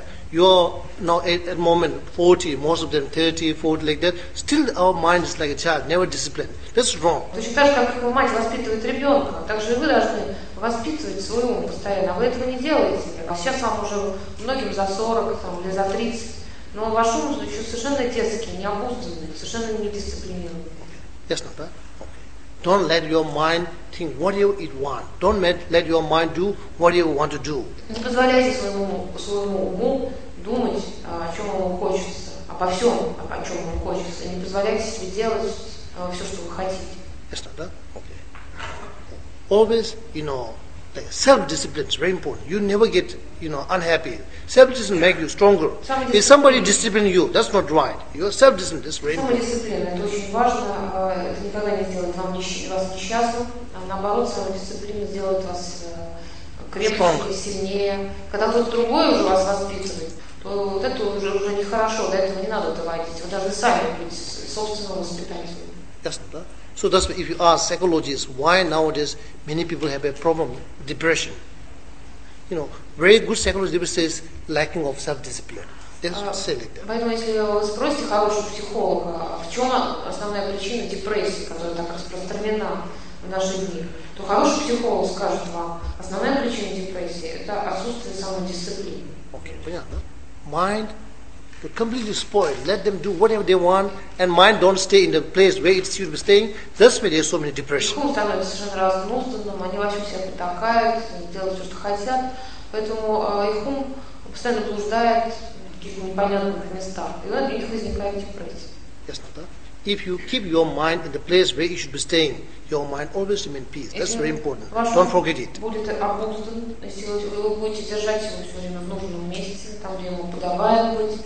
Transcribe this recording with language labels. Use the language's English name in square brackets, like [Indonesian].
[English] You are now at the moment 40, most of them 30, 40, like that. Still our mind is like a child, never disciplined. That's wrong. [Russian] Точно так же, как его мать воспитывает ребенка, так же и вы должны воспитывать свой ум постоянно, а вы этого не делаете. А сейчас вам уже многим за 40 там, или за 30. Но ваш ум еще совершенно детский, необузданный, совершенно недисциплинированный. [English] Yes, not that. Okay. Don't let your mind think whatever it want. Don't let your mind do whatever you want to do. [Russian] Не позволяйте своему уму думать, о чем ему хочется, обо всем, о чем ему хочется. Не позволяйте себе делать все, что вы хотите. [English] Yes, not that. Okay. Always, you know, like self-discipline is very important. You never get, you know, unhappy. Self-discipline make you stronger. If somebody discipline you, that's not right. Your self-discipline is very important. [Russian] Самодисциплина – это очень важно. Это никогда не сделает вас несчастным. Наоборот, самодисциплина сделает вас крепче и сильнее. Когда кто-то другой уже вас воспитывает, то вот это уже нехорошо. До этого не надо доводить. Вы должны сами быть собственным воспитателем. Ясно, да? [English] So that's why if you ask psychologists why nowadays many people have a problem with depression, you know, very good psychologists say it's lacking of self-discipline. They say like that. [Russian] Поэтому если вы спросите хорошего психолога, в чем основная причина депрессии, которая так распространена в наши дни, то хороший психолог скажет вам, основная причина депрессии это отсутствие самодисциплины. [English] Okay, [Russian] понятно. [English] Mind. But completely spoiled. Let them do whatever they want, and mind don't stay in the place where it should be staying. That's why there's so many depression. [Russian] Ум становится совершенно разнузданным, они вообще себя потакают, делают все, что хотят. Поэтому их ум постоянно блуждает в каких-то непонятных местах, и у них возникает депрессия. [English] Yes, not that. If you keep your mind in the place where it should be staying, your mind always remains peace. That's very important. Don't forget it. [Russian] Будет обуздан, если вы будете держать его все время в нужном месте, там, где ему подобает быть.